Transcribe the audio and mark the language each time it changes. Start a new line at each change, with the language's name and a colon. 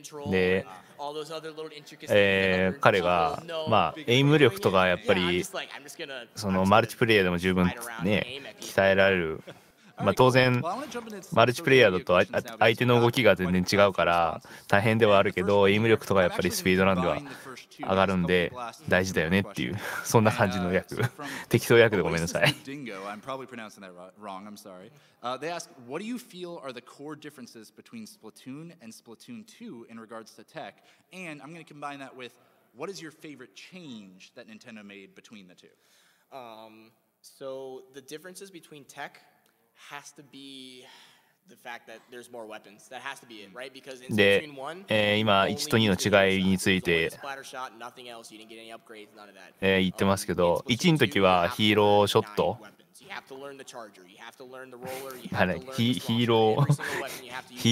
Japanese: で、彼が、まあ、エイム力とかやっぱり、そのマルチプレイヤーでも十分ね鍛えられる、まあ当然マルチプレイヤーだと相手の動きが全然違うから大変ではあるけど、エイム力とかやっぱりスピードランでは上がるんで大事だよねっていう、そんな感じの訳、適当訳でごめんなさい。
English: Dingo, I'm probably pronouncing that wrong, I'm sorry. They ask, what do you feel are the core differences between Splatoon and Splatoon 2 in regards to tech? And I'm going to combine that withWhat is your favorite change that Nintendo made between the two? So the differences between tech has to be the fact that there's more weapons. That has to be it, right? Because in Splatoon
Japanese: 1, 今1と2の違いについて、
English: splatter shot, nothing else, you didn't get any upgrades, none of that.
Japanese: 言ってますけど、1の時はヒーローショット。
English: You have to learn the charger, you have to learn the roller, you have to learn the sponsor.